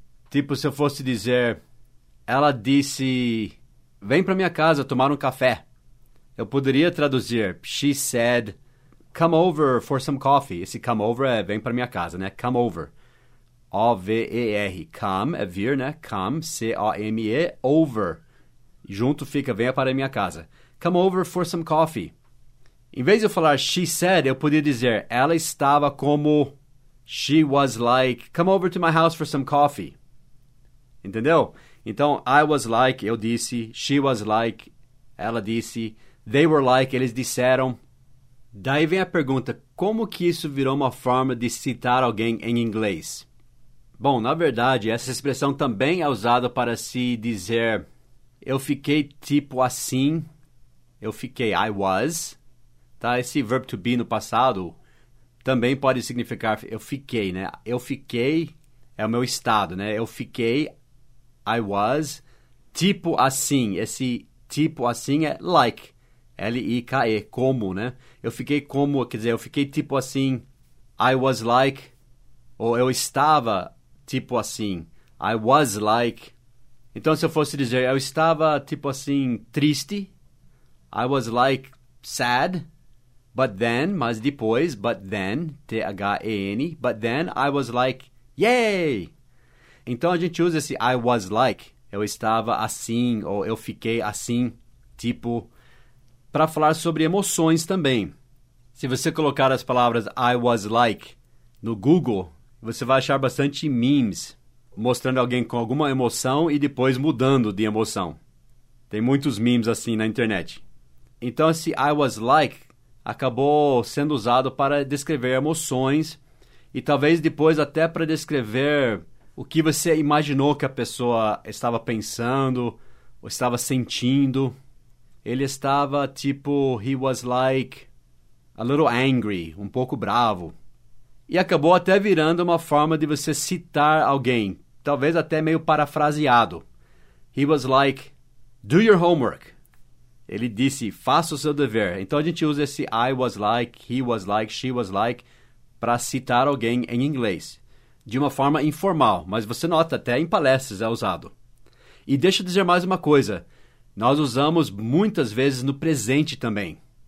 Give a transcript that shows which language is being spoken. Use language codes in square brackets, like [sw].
[pt] Tipo, se eu fosse dizer, ela disse, vem para minha casa tomar um café. Eu poderia traduzir, [en] she said, come over for some coffee. [pt] Esse come over é vem para minha casa, né? [en] Come over. O-V-E-R. Come [pt] é vir, né? [en] Come, C-O-M-E, over. [pt] Junto fica, venha para minha casa. [en] Come over for some coffee. [pt] Em vez de eu falar [en] she said, [pt] eu podia dizer ela estava como [en] she was like, come over to my house for some coffee. [pt] Entendeu? [en] Então, I was like, [pt] eu disse, [en] she was like, [pt] ela disse, [en] they were like, [pt] eles disseram. Daí vem a pergunta, como que isso virou uma forma de citar alguém em inglês? Bom, na verdade, essa expressão também é usada para se dizer eu fiquei tipo assim. Eu fiquei, I was, tá? Esse verbo to be no passado também pode significar eu fiquei, né? Eu fiquei é o meu estado, né? Eu fiquei, I was, tipo assim. Esse tipo assim é like, L-I-K-E, como, né? Eu fiquei como, quer dizer, eu fiquei tipo assim, I was like, ou eu estava tipo assim, I was like. Então, se eu fosse dizer, eu estava tipo assim, triste, [en] I was like sad, but then, [pt] mas depois, [en] but then, T-H-E-N, but then I was like, yay! [pt] Então a gente usa esse I was like, eu estava assim, ou eu fiquei assim, tipo, para falar sobre emoções também. Se você colocar as palavras I was like no Google, você vai achar bastante memes mostrando alguém com alguma emoção e depois mudando de emoção. Tem muitos memes assim na internet. Então, esse I was like acabou sendo usado para descrever emoções e talvez depois até para descrever o que você imaginou que a pessoa estava pensando ou estava sentindo. Ele estava tipo, [en] he was like a little angry, [pt] um pouco bravo. E acabou até virando uma forma de você citar alguém, talvez até meio parafraseado. [en] He was like, do your homework. [pt] Ele disse, faça o seu dever. Então, a gente usa esse I was like, he was like, she was like para citar alguém em inglês, de uma forma informal. Mas você nota, até em palestras é usado. E deixa eu dizer mais uma coisa. Nós usamos muitas vezes no presente também.